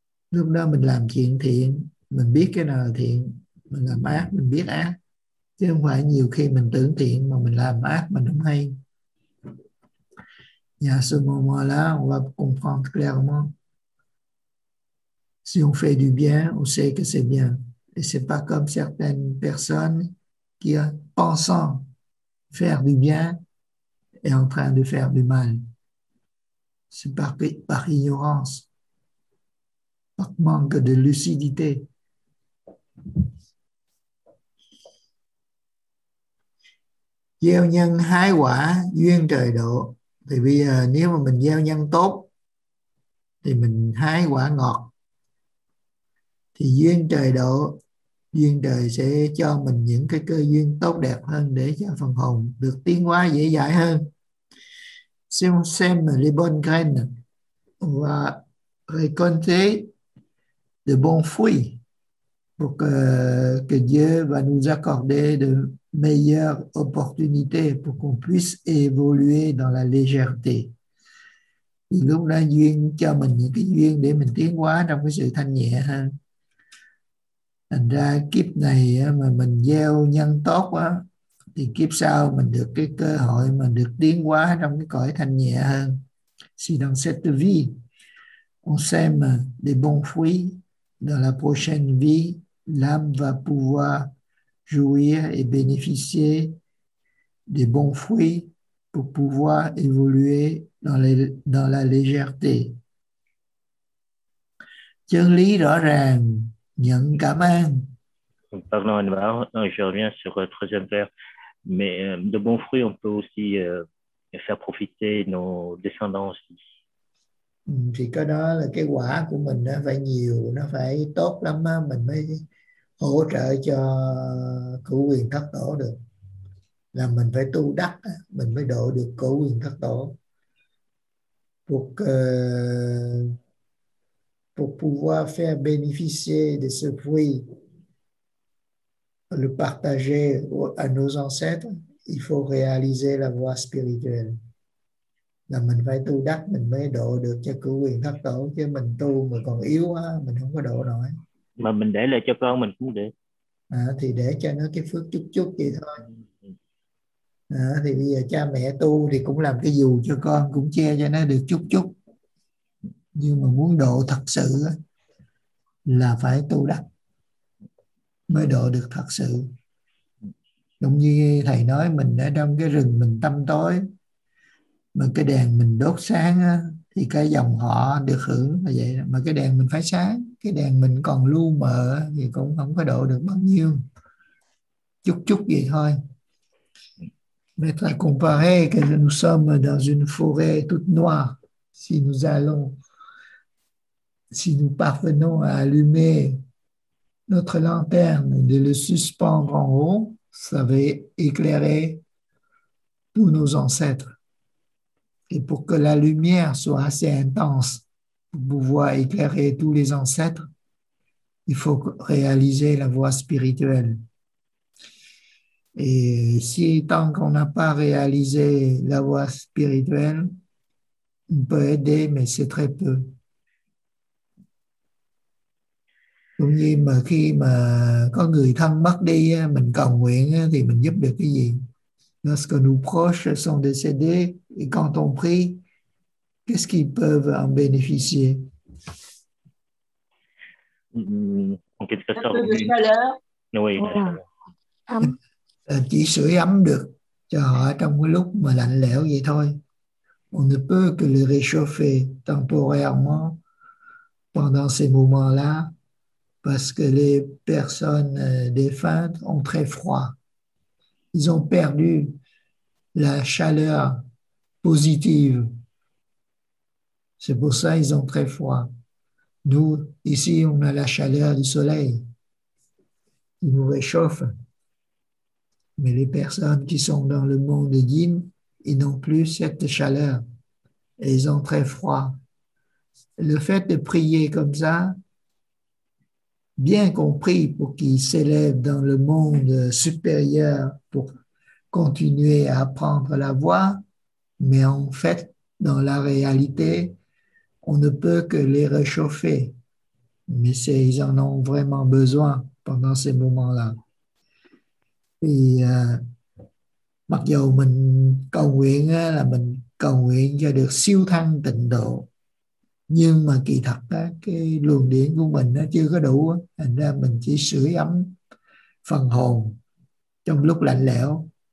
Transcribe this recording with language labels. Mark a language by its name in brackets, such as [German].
[Vietnamese] Lúc đó mình làm chuyện thiện, mình biết cái nào là thiện, mình làm ác, mình biết ác. Chứ không phải nhiều khi mình tưởng thiện mà mình làm ác, mình không hay. [French] Et à ce moment-là, on va comprendre clairement. Si on fait du bien, on sait que c'est bien. Et ce n'est pas comme certaines personnes qui, pensant faire du bien, est en train de faire du mal. C'est par ignorance, par manque de lucidité. [Vietnamese] Gieo nhân hai quả, duyên trời độ. Thì bây giờ nếu mà mình gieo nhân tốt thì mình hái quả ngọt. Thì duyên trời độ, duyên trời sẽ cho mình những cái cơ duyên tốt đẹp hơn để cho phần hồn được tiến hóa dễ dãi hơn. [French] Sème les bonnes graines, on va récolter de bons fruits pour que Dieu va nous accorder de meilleure opportunité pour qu'on puisse évoluer dans la légèreté. [Vietnamese] Thì lúc đó duyên cho mình những cái duyên để mình tiến hóa trong cái sự thanh nhẹ ha. Thành ra kiếp này mà mình gieo nhân tốt á, thì kiếp sau mình được cái cơ hội mà được tiến hóa trong cái cõi thanh nhẹ hơn. [French] Si dans cette vie, on sème des bons fruits, dans la prochaine vie, l'âme va pouvoir jouir et bénéficier des bons fruits pour pouvoir évoluer dans la légèreté. [Vietnamese] Chân lý rõ ràng, nhận cảm ơn. [French] Pardon, je reviens sur le troisième vers. Mais de bons fruits, on peut aussi faire profiter nos descendants aussi. [Vietnamese] Thì cái đó là cái quả của mình nó phải nhiều, nó phải tốt lắm á, mình mới hỗ trợ cho cửu quyền thất tổ được. Là mình phải tu đắc, mình mới độ được cửu quyền thất tổ. Pour pouvoir faire bénéficier de ce fruit, le partager à nos ancêtres, il faut réaliser la voie spirituelle. Là mình phải tu đắc, mình mới độ được cho cửu quyền thất tổ. Chứ mình tu mà còn yếu quá, mình không có độ nổi. Mà mình để lại cho con mình cũng được. À, thì để cho nó cái phước chút chút vậy thôi. À, thì bây giờ cha mẹ tu thì cũng làm cái dù cho con, cũng che cho nó được chút chút. Nhưng mà muốn độ thật sự là phải tu đắc mới độ được thật sự. Giống như thầy nói, mình ở trong cái rừng mình tâm tối, mà cái đèn mình đốt sáng á, thì cái dòng họ được hưởng là vậy. Mà cái đèn mình phải sáng, cái đèn mình còn lu mờ thì cũng không có độ được bao nhiêu. Chút chút vậy thôi. [French] Mais très comparé que nous sommes dans une forêt toute noire, si nous parvenons à allumer notre lanterne et de le suspendre en haut, ça va éclairer tous nos ancêtres. Et pour que la lumière soit assez intense pour pouvoir éclairer tous les ancêtres, il faut réaliser la voie spirituelle. Et si tant qu'on n'a pas réalisé la voie spirituelle, on peut aider, mais c'est très peu. [Vietnamese] Cũng như mà khi mà có người thân mất đi, mình cầu nguyện thì mình giúp được cái gì? [French] Lorsque nos proches sont décédés, et quand on prie, qu'est-ce qu'ils peuvent en bénéficier? [Vietnamese] Một cái cơ sở hữu nhân. [French] Chaleur. Oui, [Vietnamese] là chỉ sưởi ấm được cho họ trong cái lúc mà lạnh lẽo vậy thôi. [French] On ne peut que le réchauffer temporairement pendant ces moments-là parce que les personnes défuntes ont très froid. Ils ont perdu la chaleur positive. C'est pour ça qu'ils ont très froid. Nous, ici, on a la chaleur du soleil. Il nous réchauffe. Mais les personnes qui sont dans le monde yin, ils n'ont plus cette chaleur. Et ils ont très froid. Le fait de prier comme ça, bien qu'on prie pour qu'ils s'élèvent dans le monde supérieur pour continuer à apprendre la voie, mais en fait, dans la réalité, on ne peut que les réchauffer. Mais ils en ont vraiment besoin pendant ces moments-là. [Vietnamese] Thì mặc dù mình cầu nguyện là mình cầu nguyện cho được siêu thăng tịnh độ, nhưng mà kỳ thật cái luồng điển của mình nó chưa có đủ, thành ra mình chỉ sưởi ấm phần hồn trong lúc lạnh lẽo.